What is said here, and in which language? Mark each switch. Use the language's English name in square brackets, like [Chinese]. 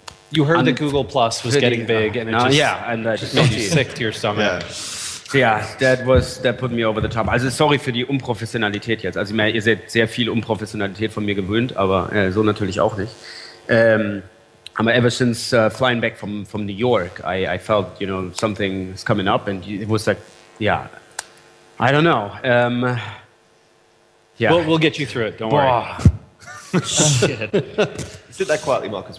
[English] You heard that Google Plus was pretty, getting big, and it just made you sick to your stomach. Yeah. Yeah, that put me over the top. [German] Also sorry für die Unprofessionalität jetzt. Also ihr seid sehr viel Unprofessionalität von mir gewöhnt, aber so natürlich auch nicht. Aber [English] ever since flying back from New York, I felt, something is coming up, and it was like, I don't know. We'll get you through it, don't worry. Shit. Sit that quietly, Marcus.